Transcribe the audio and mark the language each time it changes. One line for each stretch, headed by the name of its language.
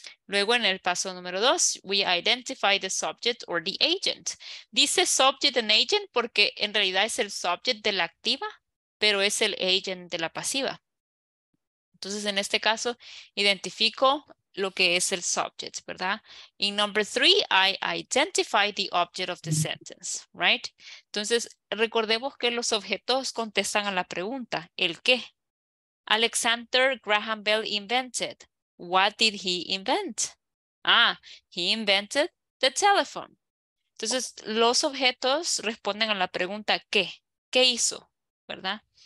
Spanish: Luego en el paso número dos,
English: we identify the subject or the agent.
Spanish: Dice subject and agent porque en realidad es el subject de la activa, pero es el agent de la pasiva. Entonces en este caso, identifico lo que es el subject, ¿verdad?
English: In number three, I identify the object of the sentence, right?
Spanish: Entonces, recordemos que los objetos contestan a la pregunta, ¿el qué?
English: Alexander Graham Bell invented. What did he invent?
Spanish: Ah,
English: he invented the telephone.
Spanish: Entonces, los objetos responden a la pregunta, ¿qué? ¿Qué hizo? ¿Verdad?